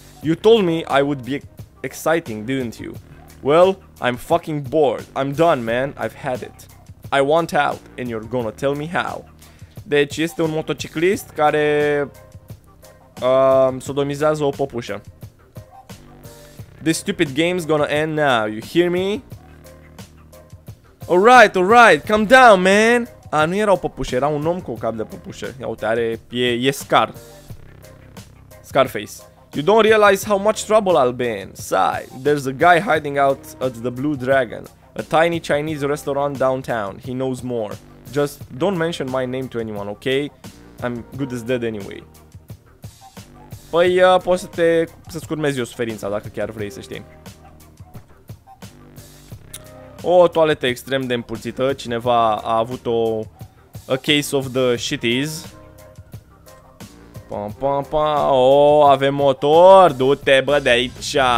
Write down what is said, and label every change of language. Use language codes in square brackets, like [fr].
[en] You told me I would be exciting, didn't you? Well, I'm fucking bored. I'm done, man. I've had it. I want out and you're gonna tell me how. [ro] Deci este un motociclist care sodomizează o popușă. [en] This stupid game's gonna end now, you hear me? Alright, alright, calm down, man! [ro] A, nu era o păpușă, era un om cu o cap de păpușă. Ia uite, are, e Scar. Scarface. [en] You don't realize how much trouble I'll be in. Sigh, there's a guy hiding out at the Blue Dragon. A tiny Chinese restaurant downtown. He knows more. Just don't mention my name to anyone, okay? I'm good as dead anyway. [ro] Păi, poți să te... să-ți curmezi eu suferința, dacă chiar vrei să știi. O toaletă extrem de împulțită. Cineva a avut o... [en] a case of the shitties. [ro] Pam, pam, pam. O, avem motor. Du-te, bă, de aici.